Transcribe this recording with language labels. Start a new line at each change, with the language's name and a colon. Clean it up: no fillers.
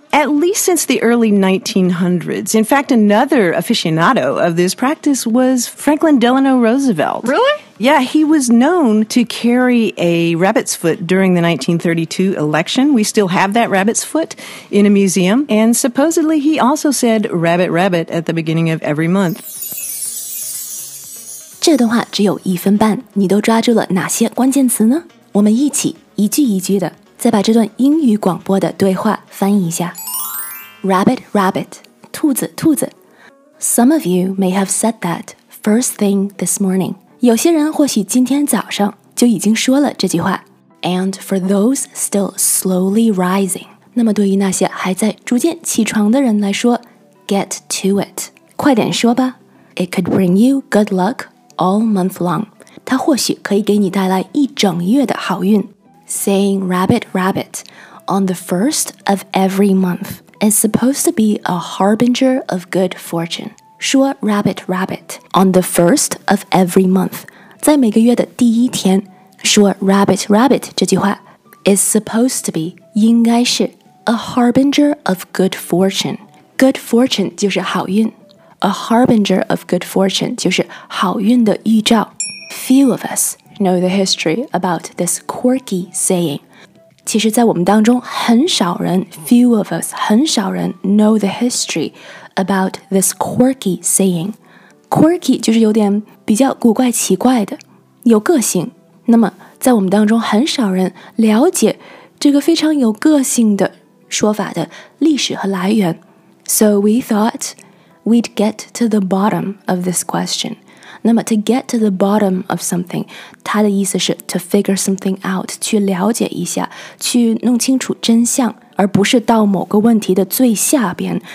English: At least since the early 1900s. In fact, another aficionado of this practice was Franklin Delano Roosevelt. Really? Yeah, he was known to carry a rabbit's foot during the 1932 election. We still have that rabbit's foot in a museum. And supposedly he also said rabbit, rabbit at the beginning of every month.
Chinese: 这段话只有一分半，你都抓住了哪些关键词呢？我们一起一句一句的再把这段英语广播的对话翻译一下。 Rabbit, rabbit, 兔子，兔子。
English: Some of you may have said that first thing this morning.
Chinese: 有些人或许今天早上就已经说了这句话。
English: And for those still slowly rising.
Chinese: 那么对于那些还在逐渐起床的人来说，
English: Get to it.
Chinese: 快点说吧。
English: It could bring you good luckAll month long.
Chinese: 它或许可以给你带来一整月的好运。
English: Saying rabbit, rabbit, on the first of every month is supposed to be a harbinger of good fortune. 说 rabbit, rabbit, on the first of every month,
Chinese: 在每个月的第一天。
English: 说 rabbit, rabbit,
Chinese: 这句话
English: is supposed to be,
Chinese: 应该是
English: a harbinger of good fortune. Good fortune
Chinese: 就是好运。
English: A harbinger of good fortune
Chinese: 就是好运的预兆。
English: Few of us know the history about this quirky saying.
Chinese: 其实在我们当中很少人
English: few of us
Chinese: 很少人
English: know the history about this quirky saying.
Chinese: Quirky 就是有点比较古怪奇怪的，有个性。那么在我们当中很少人了解这个非常有个性的说法的历史和来源。
English: So we thoughtWe'd get to the bottom of this question.
Chinese: 那么
English: to get to the bottom of something,
Chinese: 它的意思是
English: to figure something out,
Chinese: 去了解一下，去弄清楚真相，而不是到某个问题的最下边。